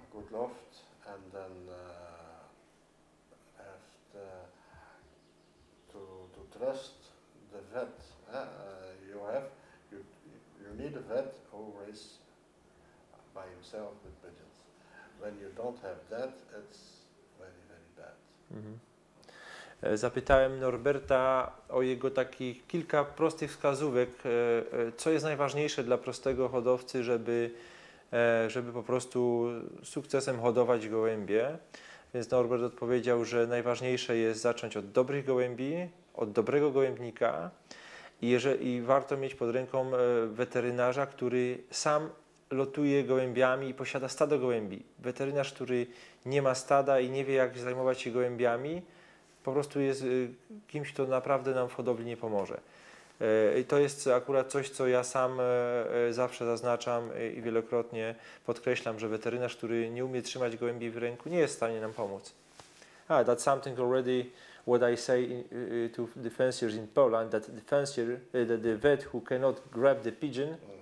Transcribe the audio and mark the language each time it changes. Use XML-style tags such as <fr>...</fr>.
<en>Good loft, and then have to trust the vet. You have you need a vet who is by himself with pigeons. When you don't have that, it's very, very bad. Mm-hmm.</en> <pl>Zapytałem Norberta o jego takich kilka prostych wskazówek, co jest najważniejsze dla prostego hodowcy, żeby po prostu sukcesem hodować gołębie. Więc Norbert odpowiedział, że najważniejsze jest zacząć od dobrych gołębi, od dobrego gołębnika i warto mieć pod ręką weterynarza, który sam lotuje gołębiami i posiada stado gołębi. Weterynarz, który nie ma stada i nie wie, jak zajmować się gołębiami, po prostu jest kimś, kto naprawdę nam w hodowli nie pomoże. I to jest akurat coś, co ja sam zawsze zaznaczam i wielokrotnie podkreślam, że weterynarz, który nie umie trzymać gołębi w ręku, nie jest w stanie nam pomóc.</pl> <en>Ah, that's something already what I say to the fanciers in Poland, that the fancier, that the vet who cannot grab the pigeon.</en>